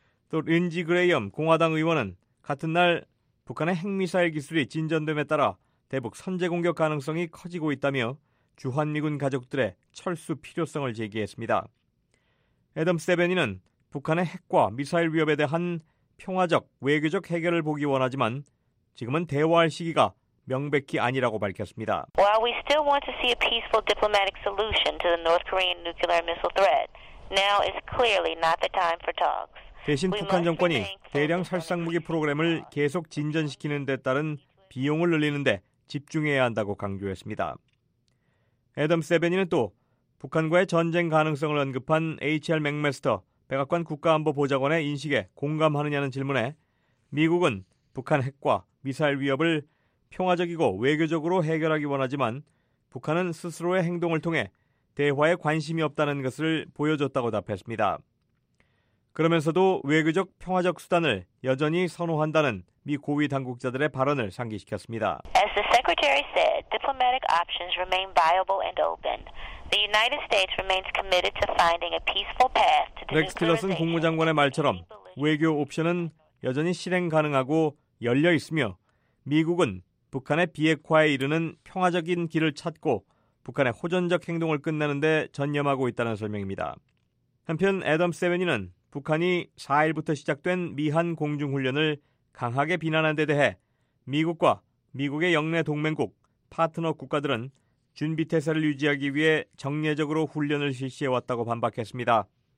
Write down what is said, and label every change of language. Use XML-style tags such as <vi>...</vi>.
<ko>또 린지 그레이엄 공화당 의원은 같은 날 북한의 핵미사일 기술이 진전됨에 따라 대북 선제 공격 가능성이 커지고 있다며 주한미군 가족들의 철수 필요성을 제기했습니다. 애덤 세베니는 북한의 핵과 미사일 위협에 대한 평화적 외교적 해결을 보기 원하지만 지금은 대화할 시기가 명백히 아니라고 밝혔습니다.</ko> <en>While we still want to see a peaceful diplomatic solution to the North Korean nuclear missile threat, now is clearly not the time for talks.</en> <ko>대신 북한 정권이 대량 살상무기 프로그램을 계속 진전시키는 데 따른 비용을 늘리는 데 집중해야 한다고 강조했습니다. 애덤 세베니는 또 북한과의 전쟁 가능성을 언급한 H.R. 맥메스터 백악관 국가안보보좌관의 인식에 공감하느냐는 질문에 미국은 북한 핵과 미사일 위협을 평화적이고 외교적으로 해결하기 원하지만 북한은 스스로의 행동을 통해 대화에 관심이 없다는 것을 보여줬다고 답했습니다. 그러면서도 외교적 평화적 수단을 여전히 선호한다는 미 고위 당국자들의 발언을 상기시켰습니다.</ko> <en>As the Secretary said, diplomatic options remain viable and open. The United States remains committed to finding a peaceful path to the nuclearization.</en> <ko>렉스 틸러슨 국무장관의 말처럼 외교 옵션은 여전히 실행 가능하고 열려 있으며 미국은 북한의 비핵화에 이르는 평화적인 길을 찾고 북한의 호전적 행동을 끝내는 데 전념하고 있다는 설명입니다. 한편 애덤 세베니는 북한이 4일부터 시작된 미한 공중훈련을 강하게 비난한 데 대해 미국과 미국의 영내 동맹국, 파트너 국가들은 준비태세를 유지하기 위해 정례적으로 훈련을 실시해왔다고 반박했습니다.</ko>